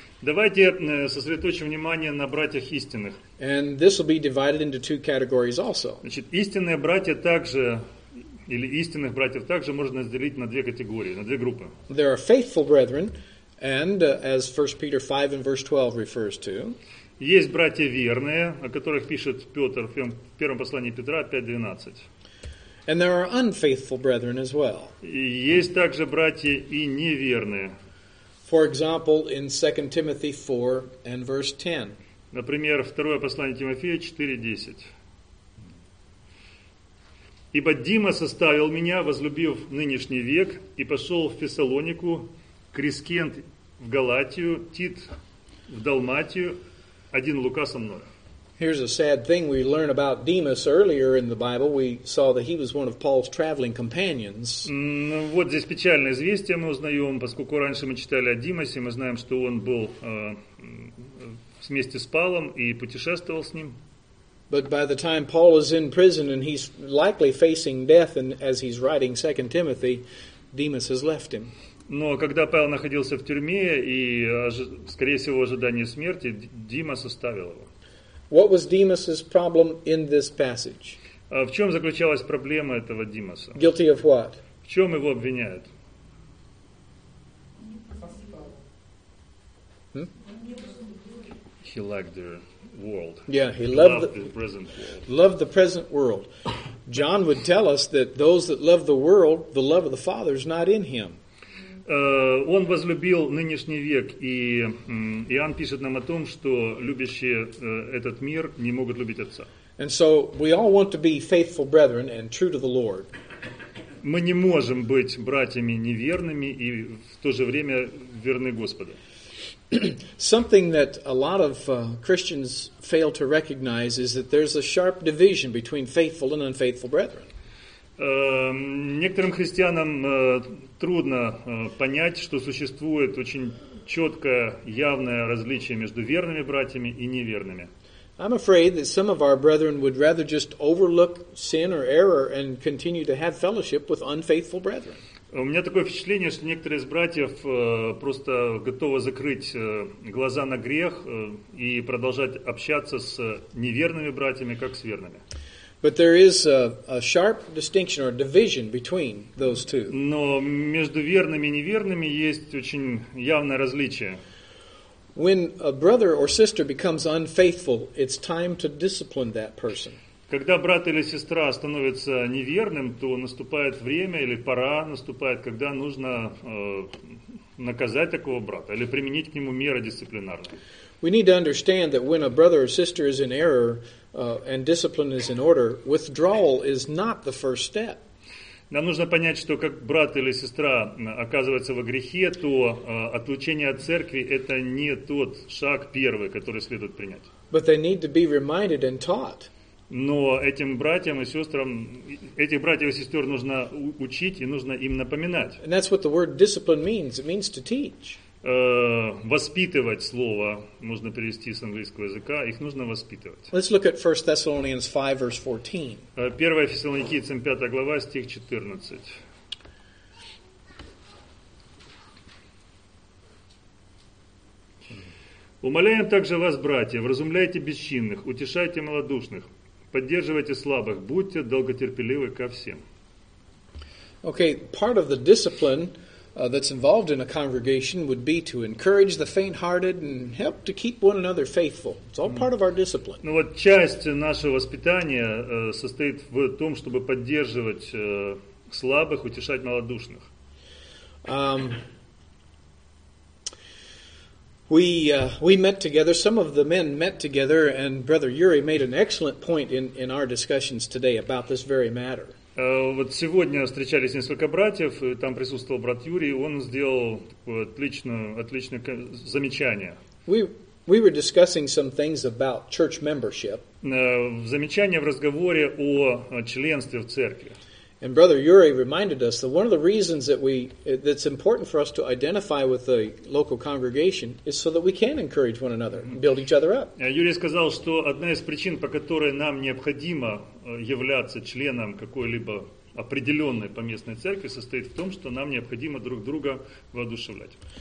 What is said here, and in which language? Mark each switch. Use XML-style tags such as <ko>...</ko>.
<ru>Давайте сосредоточим внимание на братьях истинных.</ru> <en>And this will be divided into two categories also.</en> <ru>Значит, истинные братья также, или истинных братьев также можно разделить на две категории, на две группы.</ru> <en>There are faithful brethren. And as 1 Peter 5 and verse 12 refers to,</en> <ru>есть братья верные, о которых пишет Петр в первом послании Петра 5:12.</ru> <en>And there are unfaithful brethren as well.</en> <ru>И есть также братья и неверные.</ru> <en>For example, in 2 Timothy 4 and verse 10.</en> <ru>Например, второе послание Тимофея 4:10. Ибо Димас оставил меня, возлюбив нынешний век, и пошел в Фессалонику. Крискент в Галатию, Тит в Далматию, один Лука со мной.</ru> <en>Here's a sad thing we learn about Demas earlier in the Bible. We saw that he was one of Paul's traveling companions.</en> <ru>Вот здесь печальное известие мы узнаем, поскольку раньше мы читали о Димасе, мы знаем, что он был вместе с Павлом и путешествовал с ним.</ru> <en>But by the time Paul is in prison and he's likely facing death, and as he's writing 2 Timothy, Demas has left him.</en> <ru>Но когда Павел находился в тюрьме и, скорее всего, в ожидании смерти, Димас оставил его.</ru> <en>What was Demas's problem in this passage?</en> <ru>В чем заключалась проблема этого Димаса?</ru> <en>Guilty of what?</en> <ru>В чем его обвиняют?</ru> <en>He liked the world. Yeah, he loved the present world. John would tell us that those that love the world, the love of the Father is not in him.</en> <ru>Он возлюбил нынешний век, и Иоанн пишет нам о том, что любящие этот мир не могут любить Отца.</ru> <en>And so we all want to be faithful brethren and true to the Lord.</en> <ru>Мы не можем быть братьями неверными и в то же время верны Господу.</ru> <en>Something that a lot of Christians fail to recognize is that there's a sharp division between faithful and unfaithful brethren.</en> <ru>Некоторым христианам трудно понять, что существует очень четкое, явное различие между верными братьями и неверными.</ru> <en>I'm afraid that some of our brethren would rather just overlook sin or error and continue to have fellowship with unfaithful brethren.</en> <ru>У меня такое впечатление, что некоторые из братьев просто готовы закрыть глаза на грех и продолжать общаться с неверными братьями, как с верными.</ru> <en>But there is a sharp distinction or division between those two.</en> <ru>Но между верными и неверными есть очень явное различие.</ru> <en>When a brother or sister becomes unfaithful, it's time to discipline that person.</en> <ru>Когда брат или сестра становится неверным, то наступает время или пора наступает, когда нужно наказать такого брата или применить к нему меры дисциплинарные.</ru> <en>We need to understand that when a brother or sister is in error and discipline is in order, withdrawal is not the first step.</en> <ru>Нам нужно понять, что как брат или сестра оказывается во грехе, то отлучение от церкви – это не тот шаг первый, который следует принять.</ru> <en>But they need to be reminded and taught.</en> <ru>Но этим братьям и сестрам, этих братьев и сестер нужно учить и нужно им напоминать.</ru> <en>And that's what the word discipline means. It means to teach.</en> <ru>Воспитывать слово можно перевести с английского языка. Их нужно воспитывать.</ru> <en>Let's look at 1 Thessalonians 5, verse 14.</en> <ru>1 Фессалоникийцам 5 глава, стих 14. Умоляем также вас, братья, вразумляйте бесчинных, утешайте малодушных, поддерживайте слабых, будьте долготерпеливы ко всем.</ru> <en>Okay, part of the discipline that's involved in a congregation would be to encourage the faint-hearted and help to keep one another faithful. It's all part of our discipline.</en> <ru>Ну вот часть нашего воспитания состоит в том, чтобы поддерживать слабых, утешать малодушных.</ru> <en>We met together. Some of the men met together, and Brother Yuri made an excellent point in our discussions today about this very matter.</en> <ru>Вот сегодня встречались несколько братьев, и там присутствовал брат Юрий, и он сделал отличное замечание.</ru> <en>We were discussing some things about church membership.</en> <ru>Замечание в разговоре о членстве в церкви.</ru> <en>And Brother Yuri reminded us that one of the reasons that's important for us to identify with the local congregation is so that we can encourage one another, build each other up.</en> <ru>Юрий сказал, что одна из причин, по которой нам необходимо являться членом какой-либо определенной поместной церкви, состоит в том, что нам необходимо друг друга воодушевлять.</ru>